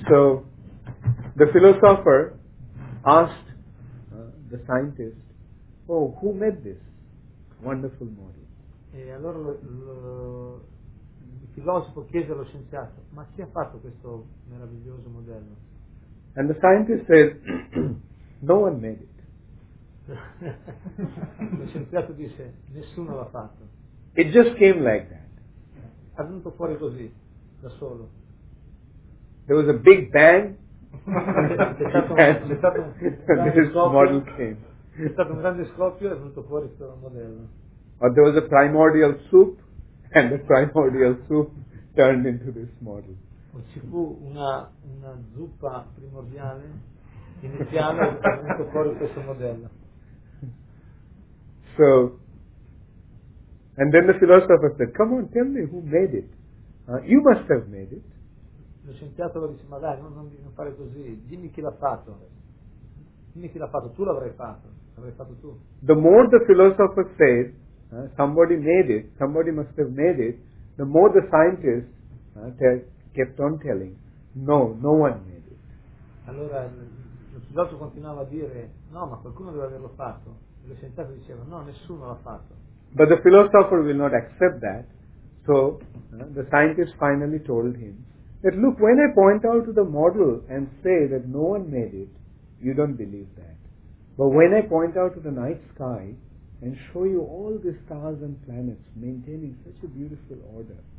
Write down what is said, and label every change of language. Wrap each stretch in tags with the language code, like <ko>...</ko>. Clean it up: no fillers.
<en>So, the philosopher asked the scientist, "Oh, who made this wonderful model?"</en> <it>E allora il filosofo chiese allo scienziato, "Ma chi ha fatto questo meraviglioso modello?"</it> <en>And the scientist says, no one made it.</en> <it>Lo scienziato dice, nessuno l'ha fatto.</it> <en>It just came like that.</en> <it>È venuto fuori così, da solo.</it> <en>There was a big bang.</en> <it>È stato un grande scoppio e è venuto fuori questo modello.</it> <en>Or there was a primordial soup, and the primordial soup turned into this model.</en> <it>O ci fu una zuppa primordiale iniziale che ha fuori questo modello.</it> <en>So, and then the philosopher said, come on, tell me who made it. You must have made it.</en> <it>Lo scienziato lo dice, ma dai, non fare così, dimmi chi l'ha fatto. Dimmi chi l'ha fatto, tu l'avrai fatto, l'avrai fatto tu.</it> <en>The more the philosopher said, somebody made it, somebody must have made it, the more the scientist kept on telling, no, no one made it.</en> <it>Allora lo scienziato continuava a dire, no, ma qualcuno deve averlo fatto. E lo scienziato diceva, no, nessuno l'ha fatto.</it> <en>But the philosopher will not accept that, so the scientist finally told him, that look, when I point out to the model and say that no one made it, you don't believe that. But when I point out to the night sky and show you all the stars and planets maintaining such a beautiful order,</en>